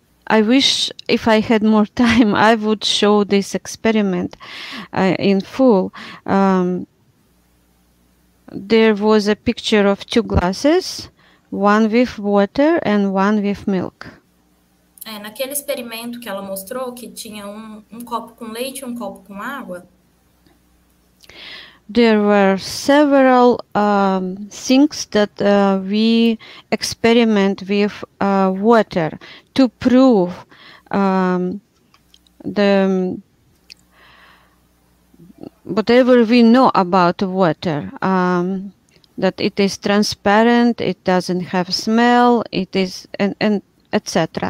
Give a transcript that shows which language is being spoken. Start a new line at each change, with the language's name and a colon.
English: I wish if I had more time, I would show this experiment in full. There was a picture of two glasses, one with water and one with milk.
Portuguese: Naquele experimento que ela mostrou, que tinha um copo com leite e um copo com água,
English: there were several things that we experiment with water to prove whatever we know about water, that it is transparent, it doesn't have smell, it is and etc.